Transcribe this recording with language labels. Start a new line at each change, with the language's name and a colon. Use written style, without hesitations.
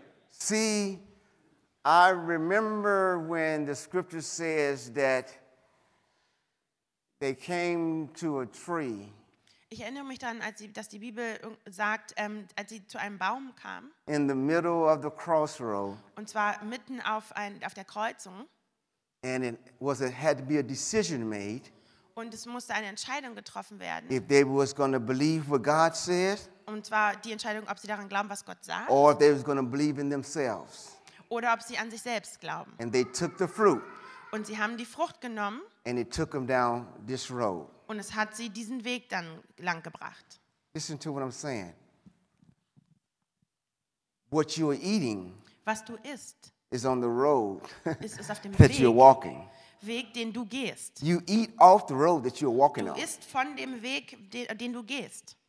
English: See, I remember when the scripture says that they came to a tree.
German: Ich erinnere mich daran, dass die Bibel sagt, als sie zu einem Baum kam.
English: In the middle of the crossroad.
German: Und zwar mitten auf der Kreuzung.
English: And it had to be a decision made.
German: Und es musste eine Entscheidung getroffen werden.
English: If they was going to believe what God said.
German: Und zwar die Entscheidung, ob sie daran glauben, was Gott sagt.
English: Or if they was going to believe in themselves.
German: Oder ob sie an sich selbst glauben.
English: And they took the fruit.
German: Und sie haben die Frucht genommen.
English: And it took them down this road.
German: Und es hat sie diesen Weg dann lang gebracht.
English: Listen to what I'm saying. What you are eating,
German: was du isst,
English: is on the road
German: ist auf dem
English: that
German: Weg,
English: you're walking.
German: Weg, den du gehst.
English: You eat off the road that you're walking on.
German: Du isst von dem Weg, den du gehst.